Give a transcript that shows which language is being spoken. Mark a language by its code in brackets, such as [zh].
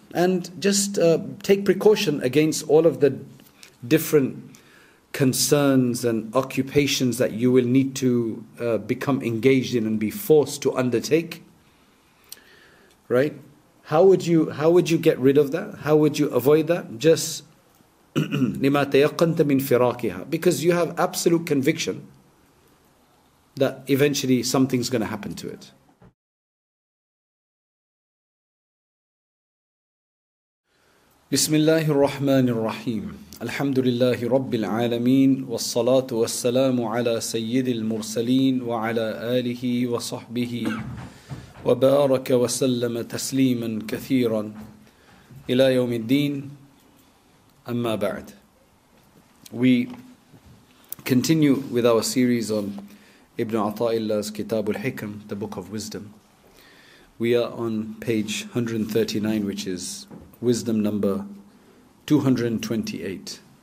[en] And just take precaution against all of the different concerns and occupations that you will need to become engaged in and be forced to undertake. Right? How would you get rid of that? How would you avoid that? Just [ar] لِمَا تَيَقَّنْتَ مِنْ فِرَاقِهَا. [en] Because you have absolute conviction that eventually something's going to happen to it. [ar] بسم الله الرحمن الرحيم الحمد لله رب العالمين والصلاة والسلام على سيد المرسلين وعلى آله وصحبه وبارك وسلم تسليما كثيرا إلى يوم الدين أما بعد. [en] We continue with our series on Ibn Ata'illah's Kitab al-Hikam, the Book of Wisdom. We are on page 139, which is wisdom number 228.